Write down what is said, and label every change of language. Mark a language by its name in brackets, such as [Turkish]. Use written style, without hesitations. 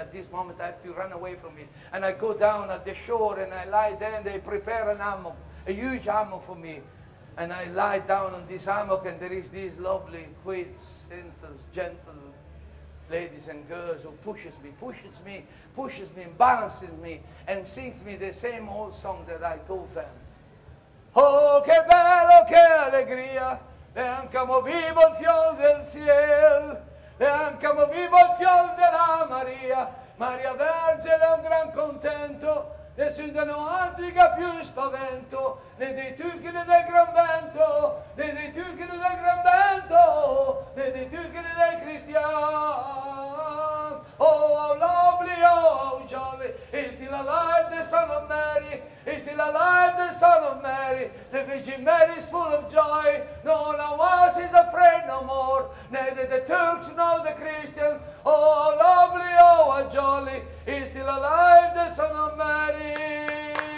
[English] At this moment I have to run away from it. And I go down at the shore and I lie there and they prepare an hammock, a huge hammock for me. And I lie down on this hammock and there is this lovely, quiet, centered, gentle ladies and girls who pushes me, balances me, and sings me the same old song that I told them. [Italian] Oh, che bello, che allegria, e anche mo vivo in fior del ciel. E anche mo vivo il fior della Maria, Maria Vergine è un gran contento, nessuno non antica più spavento, né dei turchi né del gran vento, né dei turchi né del gran vento, né dei turchi né dei cristiani. [English] Oh, how lovely, oh, how jolly, is still alive the Son of Mary, is still alive the Son of Mary, the Virgin Mary is full of joy, no one was is afraid no more, neither the Turks nor the Christians. Oh, how lovely, oh, how jolly, is still alive the Son of Mary.